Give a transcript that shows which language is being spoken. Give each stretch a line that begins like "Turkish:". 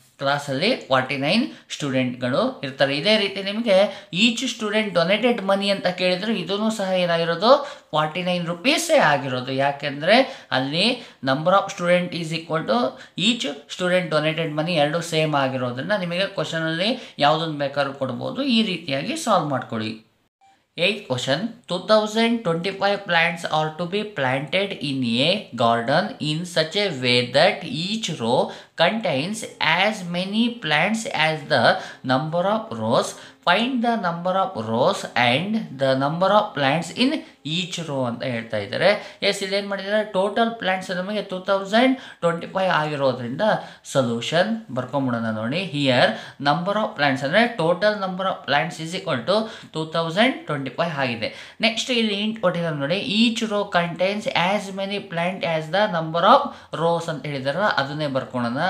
Kannada: ಕ್ಲಾಸಲ್ಲಿ 49 ಸ್ಟೂಡೆಂಟ್ಗಳು ಇರ್ತಾರೆ. ಇದೇ ರೀತಿ ನಿಮಗೆ
English: each student donated money
Kannada: ಅಂತ ಕೇಳಿದ್ರು, ಇದೂ ಸಹ ಏನಾಗಿರೋದು 49 ರುಪೀಸೇ ಆಗಿರೋದು. ಯಾಕೆಂದರೆ ಅಲ್ಲಿ
English: number of student is equal to each student donated money,
Kannada: ಎರಡು ಸೇಮ್ ಆಗಿರೋದನ್ನು ನಿಮಗೆ ಕ್ವೆಶನಲ್ಲಿ ಯಾವುದನ್ನು ಬೇಕಾದ್ರೂ ಕೊಡ್ಬೋದು. ಈ ರೀತಿಯಾಗಿ ಸಾಲ್ವ್ ಮಾಡ್ಕೊಳ್ಳಿ.
English: 8th question, 2025 plants are to be planted in a garden in such a way that each row contains as many plants as the number of rows. Find the number of rows and the number of plants in each row
Kannada: ಅಂತ ಹೇಳ್ತಾ ಇದ್ದಾರೆ. S, ಇದೇನು ಮಾಡಿದ್ದಾರೆ, total plants ನಮಗೆ 2025 ಆಗಿರೋದ್ರಿಂದ solution ಬರ್ಕೊಂಬಿಡೋಣ ನೋಡಿ.
English: here number of plants
Kannada: ಅಂದರೆ
English: Total number of plants is equal to 2025 ಆಗಿದೆ. Next
Kannada: ಇಲ್ಲಿ
English: hint
Kannada: ಕೊಟ್ಟಿದ್ದಾರೆ ನೋಡಿ,
English: each row contains as many plant as the number of rows
Kannada: ಅಂತ ಹೇಳಿದಾರ, ಅದನ್ನೇ ಬರ್ಕೊಳೋಣ.